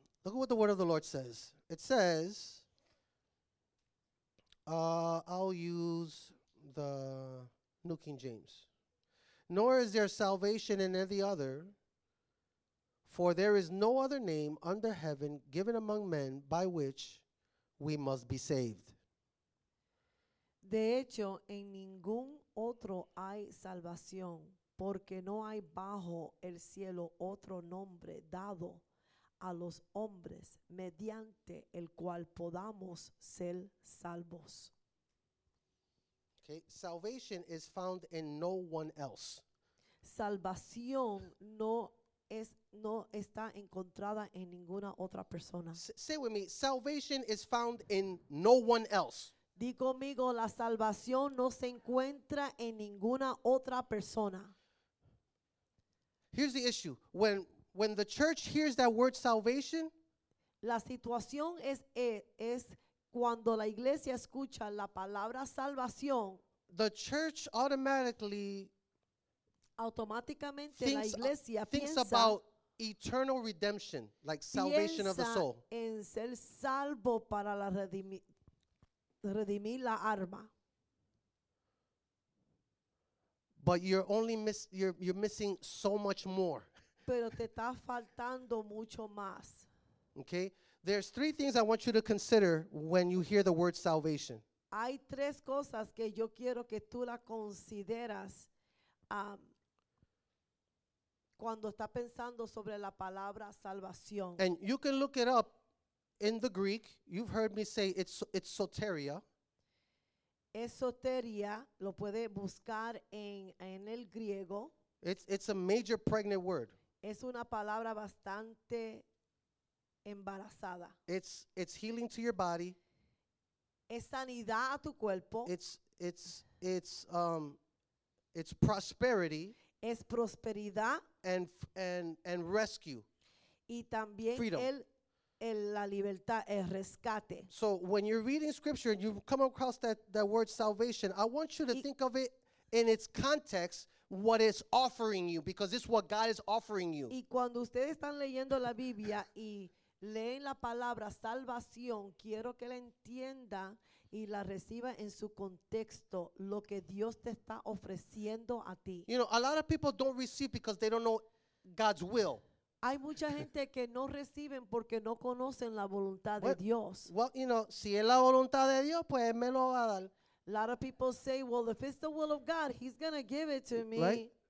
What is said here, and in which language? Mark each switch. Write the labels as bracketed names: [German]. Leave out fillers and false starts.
[English] Look at what the word of the Lord says. It says, I'll use the New King James. Nor is there salvation in any other, for there is no other name under heaven given among men by which we must be saved. [Spanish] De hecho, en ningún otro hay salvación, porque no hay bajo el cielo otro nombre dado a los hombres mediante el cual podamos ser salvos. [English] Okay, salvation is found in no one else. [Spanish] Salvación no está encontrada en ninguna otra persona. [English] Say with me, salvation is found in no one else. [Spanish] Di conmigo, la salvación no se encuentra en ninguna otra persona. [English] Here's the issue. When the church hears that word salvation, [Spanish] la situación es cuando la iglesia escucha la palabra salvación, [English] the church automatically [Spanish] automáticamente la iglesia [English] thinks about eternal redemption, like salvation of the soul. [Spanish] Piensa en ser salvo para la redimir la alma. [English] But you're missing so much more. [Spanish] Pero te está faltando mucho más. [English] Okay? There's three things I want you to consider when you hear the word salvation. [Spanish] Hay tres cosas que yo quiero que tú la consideras cuando está pensando sobre la palabra salvación. [English] And you can look it up in the Greek. You've heard me say it's soteria. [Spanish] Esoteria lo puede buscar en el griego. [English] It's a major pregnant word. [Spanish] Es una palabra bastante embarazada. [English] It's healing to your body. [Spanish] Es sanidad a tu cuerpo. [English] It's prosperity. [Spanish] Es prosperidad. [English] And rescue. [Spanish] Y también [English] freedom. [Spanish] La libertad, el rescate. [English] So when you're reading scripture and you come across that word salvation, I want you to think of it in its context, what it's offering you, because this is what God is offering you. [Spanish] Y cuando ustedes están leyendo la Biblia y leen la palabra salvación, quiero que la entienda y la reciba en su contexto, lo que Dios te está ofreciendo a ti. [English] You know, a lot of people don't receive because they don't know God's will. [Spanish] Hay mucha gente que no reciben porque no conocen la voluntad de Dios. [English] Well, you know, [Spanish] si es la voluntad de Dios, pues me lo va a dar. [English] A lot of people say, well, if it's the will of God, he's going to give it to me.